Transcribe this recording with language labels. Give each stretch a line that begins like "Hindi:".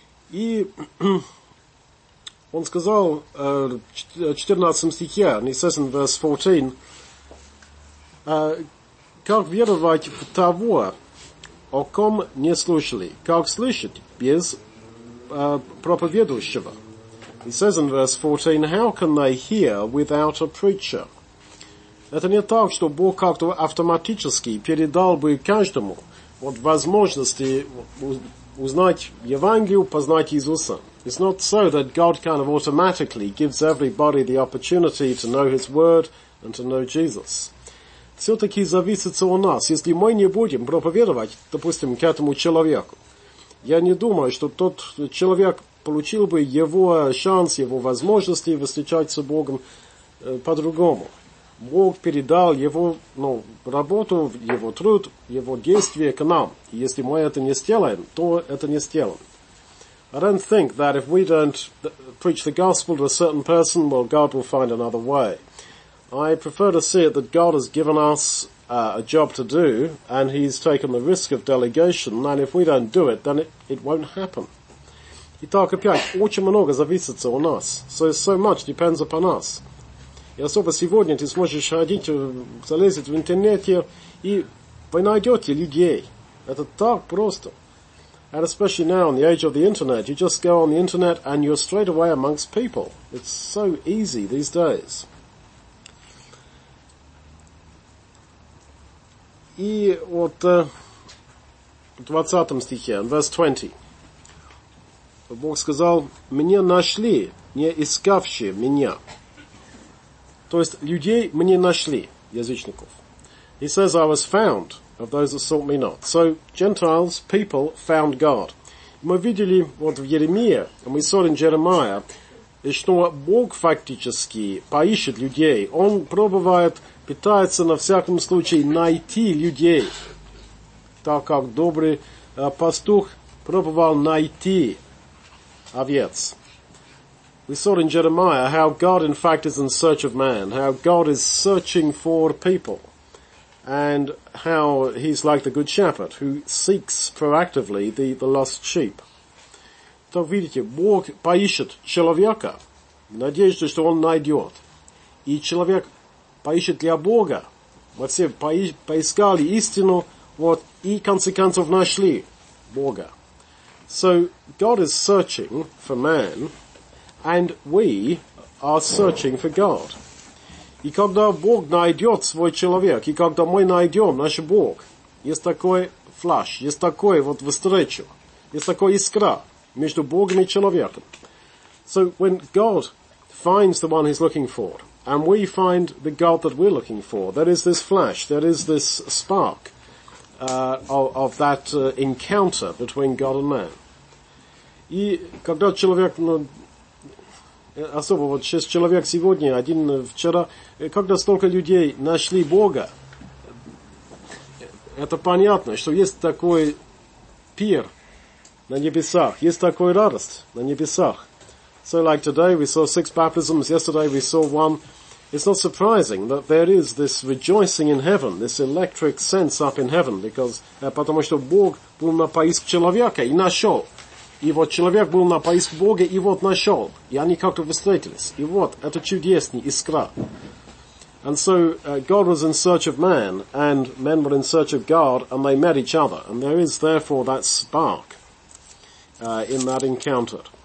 Russian: И он сказал в 14 стихе,
English: and he says in verse 14,
Russian: как веровать в того, о ком не слышали, как слышать без проповедующего.
English: He says in verse 14, how can they hear without a preacher?
Russian: Это не так, что Бог как-то автоматически передал бы каждому вот возможности узнать Евангелие, познать Иисуса.
English: It's not so that God kind of automatically gives everybody the opportunity to know his word and to know Jesus.
Russian: Все-таки зависится у нас. Если мы не будем проповедовать, допустим, к этому человеку, я не думаю, что тот человек получил бы его шанс, его возможности встречаться с Богом по-другому. Бог передал его работу, его труд, его действия к нам. И если мы это не сделаем, то это не сделаем.
English: I don't think that if we don't preach the gospel to a certain person, well, God will find another way. I prefer to see it that God has given us a job to do, and he's taken the risk of delegation, and if we don't do it, then it won't happen.
Russian: Итак, опять, очень много зависит у нас.
English: So much depends upon us.
Russian: И особо сегодня ты сможешь ходить, залезть в интернете, и вы найдете людей. Это так просто.
English: And especially now in the age of the internet, you just go on the internet and you're straight away amongst people. It's so easy these days.
Russian: И вот в 20 стихе,
English: in verse 20,
Russian: Бог сказал, «Мне нашли, не искавшие меня». То есть людей мне нашли, язычников.
English: He says, I was found of those that sought me not. So, Gentiles, people, found God.
Russian: Мы видели вот в Еремии,
English: and we saw in Jeremiah,
Russian: что Бог фактически поищет людей. Он пробует, пытается на всяком случае найти людей. Так как добрый пастух пробовал найти овец.
English: We saw in Jeremiah how God, in fact, is in search of man, how God is searching for people, and how he's like the good shepherd who seeks proactively the lost sheep.
Russian: Так видите, Бог поищет человека, надеясь, что он найдет. И человек поищет для Бога. Мы все поискали истину, вот, и в конце концов нашли Бога.
English: So, God is searching for man, and we are searching for God.
Russian: И когда Бог найдет свой человек, и когда мы найдем наш Бог, есть такой флаж, есть такой вот встреча, есть такая искра между Богом и человеком.
English: So when God finds the one he's looking for, and we find the God that we're looking for, there is this flash, there is this spark of that encounter between God and man.
Russian: И когда человек... Особо вот шесть человек сегодня, один вчера. Когда столько людей нашли Бога, это понятно, что есть такой пир на небесах, есть такой радость на небесах.
English: So like today we saw six baptisms, yesterday we saw one. It's not surprising that there is this rejoicing in heaven, this electric sense up in heaven,
Russian: потому что Бог был на поиск человека и нашел. И вот человек был на поиск Бога, и вот нашел. И они как-то встретились. И вот, это чудесная искра.
English: And so, God was in search of man, and men were in search of God, and they met each other. And there is, therefore, that spark in that encounter.